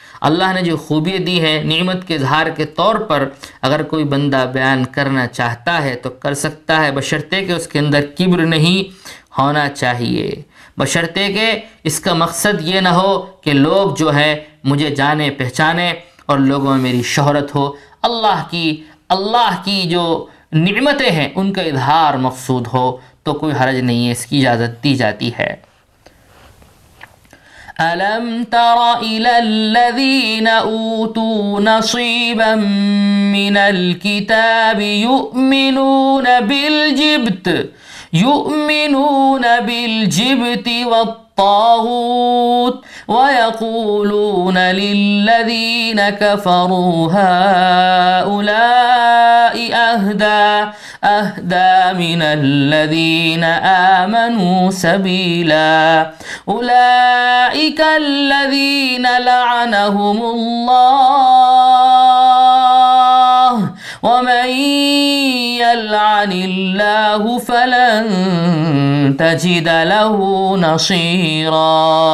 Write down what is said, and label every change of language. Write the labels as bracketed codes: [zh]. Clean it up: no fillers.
[ur] اللہ نے جو خوبی دی ہے نعمت کے اظہار کے طور پر اگر کوئی بندہ بیان کرنا چاہتا ہے تو کر سکتا ہے, بشرطے کہ اس کے اندر کبر نہیں ہونا چاہیے, بشرطے کہ اس کا مقصد یہ نہ ہو کہ لوگ جو ہے مجھے جانے پہچانے اور لوگوں میں میری شہرت ہو. اللہ کی جو نعمتیں ہیں ان کا اظہار مقصود ہو تو کوئی حرج نہیں ہے, اس کی اجازت دی جاتی ہے. [ar] أَلَمْ تَرَ إِلَى الَّذِينَ أُوتُوا نَصِيبًا مِنَ الْكِتَابِ يُؤْمِنُونَ بِالْجِبْتِ والطاغوت ويقولون للذين كفروا هؤلاء أهدى أهدى من الذين آمنوا سبيلا أولئك الذين لعنهم الله ومن يلعن الله فلن تجد له نصيرا